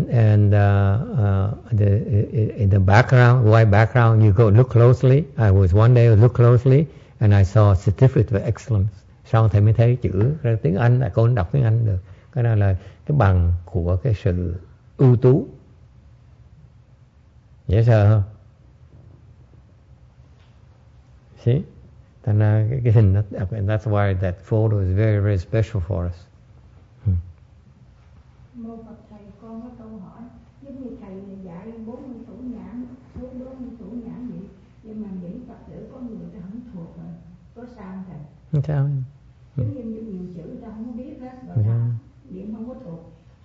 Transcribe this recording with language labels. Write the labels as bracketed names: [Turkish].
[English] In the background, white background, you go look closely. I was one day look closely and I saw Certificate of Excellence. [Vietnamese] Sau thầy mới thấy chữ tiếng Anh, là cô đọc tiếng Anh được. Cái đó là cái bằng của cái sự ưu tú. Dễ sợ không? See? Thành ra cái hình nó đẹp. [English] And that's why that photo is very, very special for us. [Vietnamese] Mô Phật thầy, con có câu hỏi. Giống như thầy dạy 40 thủ nhãn, 40 thủ nhãn vậy. Nhưng mà những Phật tử có người ta không thuộc rồi. Có sao không thầy? Không sao. Giống như nhiều chữ ta không biết đó. Rồi ta niệm không có thuộc.